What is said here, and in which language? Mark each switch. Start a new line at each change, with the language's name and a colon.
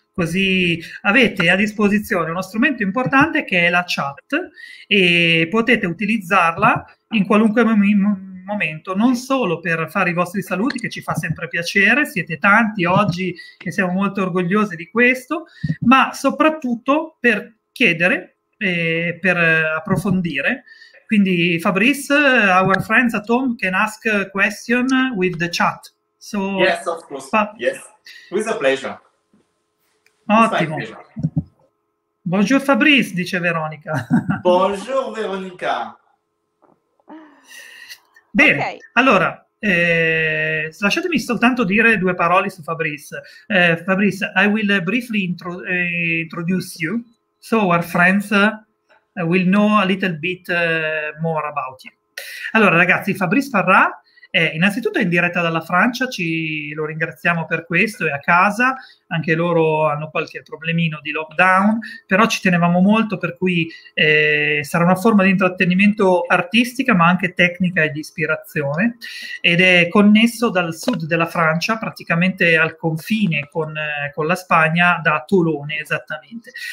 Italian: Così avete a disposizione uno strumento importante che è la chat e potete utilizzarla in qualunque momento, non solo per fare i vostri saluti, che ci fa sempre piacere, siete tanti oggi e siamo molto orgogliosi di questo, ma soprattutto per chiedere, per approfondire.
English: Quindi Fabrice, our friends at home can ask a question with the chat. So, yes, of course, yes, with a pleasure.
Italian: Ottimo.
English: Pleasure.
French: Bonjour
Italian: Fabrice, dice Veronica.
French: Bonjour Veronica.
Italian: Bene, okay. Allora, lasciatemi soltanto dire due parole su Fabrice.
English: Fabrice, I will briefly introduce you, so our friends will know a little bit more about you.
Italian: Allora, ragazzi, Fabrice Farrà è innanzitutto in diretta dalla Francia, ci lo ringraziamo per questo, è a casa, anche loro hanno qualche problemino di lockdown, però ci tenevamo molto, per cui sarà una forma di intrattenimento artistica, ma anche tecnica e di ispirazione, ed è connesso dal sud della Francia, praticamente al confine con la Spagna, da Tolone esattamente.